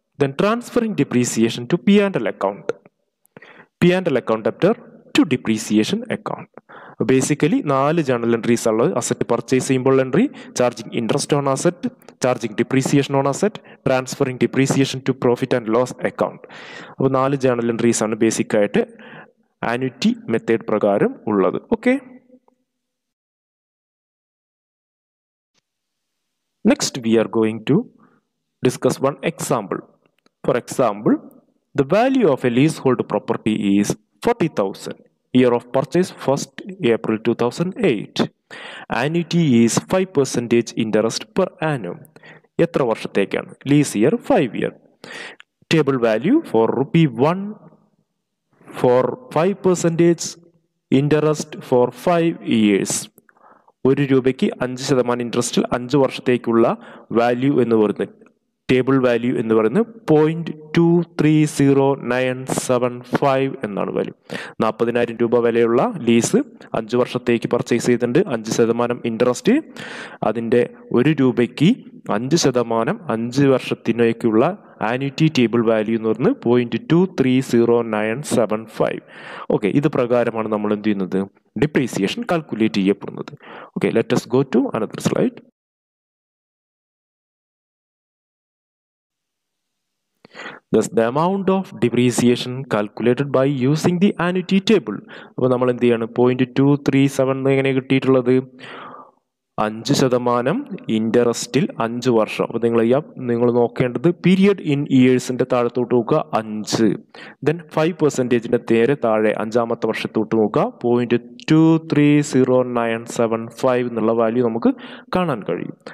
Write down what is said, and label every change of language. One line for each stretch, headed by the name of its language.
English: Then transferring depreciation to P and L account, P and L account debtor to depreciation account. Basically നാല് journal entries ഉള്ളത്, asset purchase ചെയ്യുമ്പോൾ entry, charging interest on asset, charging depreciation on asset, transferring depreciation to profit and loss account.
Malayalam: അപ്പോൾ നാല് journal entries ആണ് ബേസിക്കായിട്ട് annuity method പ്രകാരം ഉള്ളത്.
English: Okay, next we are going to discuss one example. For example, the value of a leasehold property is 40,000, year of purchase 1st April 2008, annuity is 5% interest per annum.
Malayalam: എത്ര വർഷത്തേക്കാണ് lease year? 5 year.
English: Table value for rupee 1 for 5% interest for 5 years.
Malayalam: 1 രൂപയ്ക്ക് 5% ഇൻട്രസ്റ്റിൽ 5 വർഷത്തേക്കുള്ള value എന്ന് പറയുന്നത്, table value എന്ന് പറയുന്നത് 0.230975 എന്നാണ് value. 40,000 രൂപ വിലയുള്ള ലീസ് 5 വർഷത്തേക്ക് പർച്ചേസ് ചെയ്തിട്ടുണ്ട്, 5% ഇൻട്രസ്റ്റ്, അതിൻ്റെ 1 രൂപയ്ക്ക് 5% 5 വർഷത്തിനേക്കുള്ള ആനുറ്റി ടേബിൾ വാല്യൂ എന്ന് പറയുന്നത് 0.230975. ഓക്കെ, ഇത് പ്രകാരമാണ് നമ്മൾ എന്ത് ചെയ്യുന്നത്, ഡിപ്രീസിയേഷൻ കാൽക്കുലേറ്റ് ചെയ്യപ്പെടുന്നത്.
English: Okay, let's go to another slide. Thus, the amount of depreciation calculated by using the annuity table.
Malayalam: അപ്പോൾ നമ്മൾ എന്ത് ചെയ്യാണ്, 0.237 എങ്ങനെ കിട്ടിയിട്ടുള്ളത്, 5% ഇൻ്ററസ്റ്റിൽ 5 വർഷം. അപ്പോൾ നിങ്ങൾ ചെയ്യാം, നിങ്ങൾ നോക്കേണ്ടത് പീരിയഡ് ഇൻ ഇയേഴ്സിൻ്റെ താഴത്തോട്ട് നോക്കുക 5, ദെൻ 5%ൻ്റെ നേരെ താഴെ 5ാമത്തെ വർഷത്തോട്ട് നോക്കുക, 0.230975 എന്നുള്ള വാല്യൂ നമുക്ക് കാണാൻ കഴിയും.